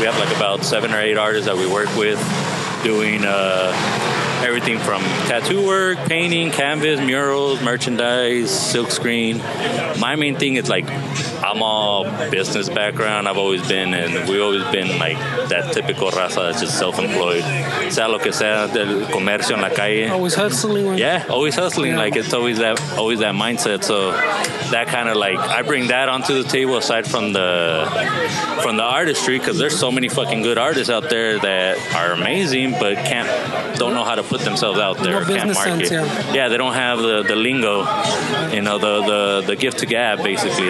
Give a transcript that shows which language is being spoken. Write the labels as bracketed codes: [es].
[en] We have like about 7 or 8 artists that we work with doing everything from tattoo work, painting, canvas, murals, merchandise, silk screen. My main thing is like I'm all business background. I've always been, and we've always been like that typical raza that's just self-employed. [es] Sea lo que sea del comercio en la calle. [en] Always hustling. Yeah, always hustling. Yeah. Like it's always that mindset. So that kind of like I bring that onto the table aside from the artistry, because there's so many fucking good artists out there that are amazing but don't know how to put themselves out there. No business can't market sense, yeah. Yeah, they don't have the lingo, you know, the gift to gab, basically.